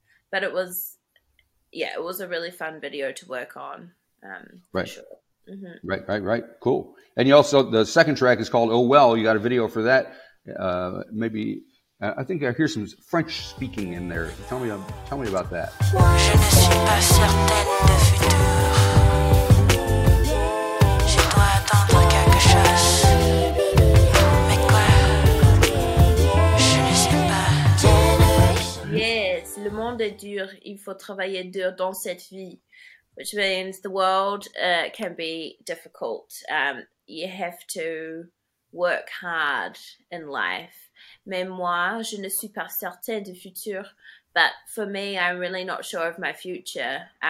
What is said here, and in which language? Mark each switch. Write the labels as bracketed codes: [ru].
[en] But it was a really fun video to work on. Right. For sure. Mm-hmm. Right, right, right. Cool. And you also, the second track is called Oh Well. You got a video for that. Maybe, I think I hear some French speaking in there. Tell me about that. [fr] Je ne suis pas certaine de futur. Je dois attendre quelque chose. Mais quoi? Je ne sais pas. Yes, le monde est dur. Il faut travailler dur dans cette vie. [en] Which means the world can be difficult. You have to work hard in life. [fr] Mais moi, je ne suis pas certain du futur. [en] But for me, I'm really not sure of my future.